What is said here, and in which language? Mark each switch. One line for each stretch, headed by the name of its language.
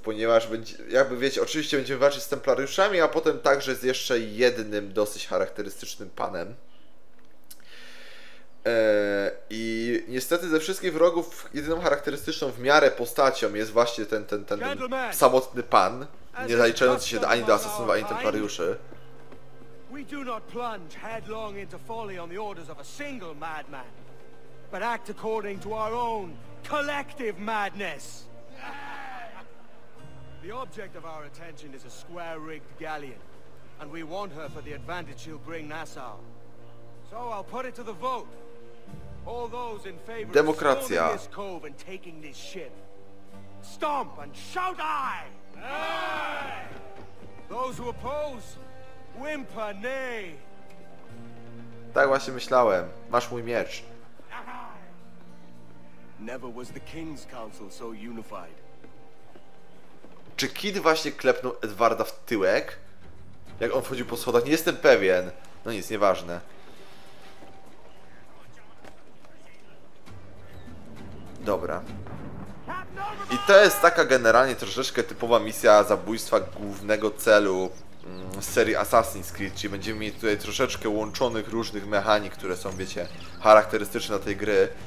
Polish: Ponieważ będzie, jakby wiecie, oczywiście będziemy walczyć z Templariuszami, a potem także z jeszcze jednym dosyć charakterystycznym panem. I niestety ze wszystkich wrogów jedyną charakterystyczną w miarę postacią jest właśnie ten samotny pan, nie zaliczający się ani do asasynów, ani templariuszy.
English: We do not plunge headlong into folly on the orders of a single madman, but act according to our own collective madness. The object of our attention is a square-rigged galleon, and we want her for the advantage she'll bring Nassau. So I'll put it to the vote. All those in favor Demokracja. Of this cove and taking this ship. Stomp and shout aye! Aye! Those who oppose, whimper nay!
Polish: Tak właśnie myślałem. Masz mój miecz.
English: Never was the King's Council so unified.
Polish: Czy Kid właśnie klepnął Edwarda w tyłek? Jak on wchodził po schodach? Nie jestem pewien. No nic, nieważne. Dobra. I to jest taka generalnie troszeczkę typowa misja zabójstwa głównego celu serii Assassin's Creed, czyli będziemy mieli tutaj troszeczkę łączonych różnych mechanik, które są, wiecie, charakterystyczne dla tej gry.